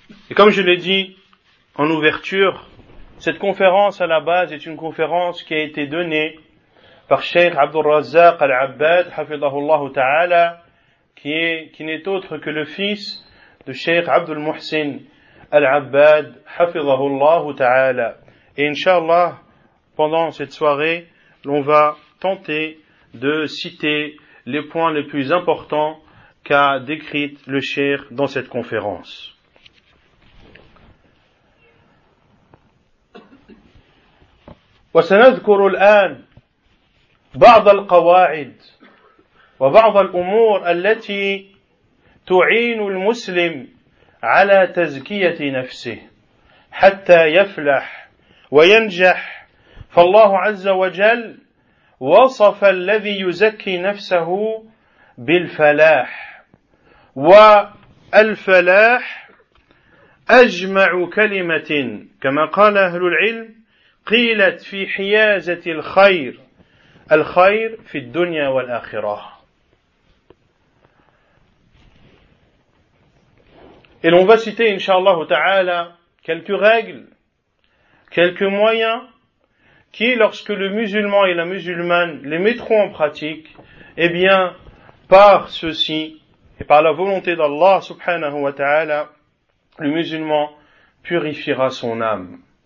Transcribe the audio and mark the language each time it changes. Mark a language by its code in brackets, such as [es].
[fr] Et comme je l'ai dit en ouverture, cette conférence à la base est une conférence qui a été donnée par Cheikh Abdul Razzaq Al-Abbad, hafidhahullah ta'ala, qui n'est autre que le fils de Cheikh Abdul Muhsin Al-Abbad, hafidhahullah ta'ala. Et inshallah, pendant cette soirée, l'on va tenter de citer les points les plus importants qu'a décrit le Cheikh dans cette conférence. [ar] وسنذكر الآن بعض القواعد وبعض الأمور التي تعين المسلم على تزكية نفسه حتى يفلح وينجح. فالله عز وجل وصف الذي يزكي نفسه بالفلاح، والفلاح أجمع كلمة كما قال أهل العلم قيلت في حيازة الخير، الخير في الدنيا والآخرة. [fr] Et l'on va citer, inshallah ta'ala, quelques règles, quelques moyens qui, lorsque le musulman et la musulmane les mettront en pratique, eh bien, par ceci, et par la volonté d'Allah subhanahu wa ta'ala, le musulman purifiera son âme.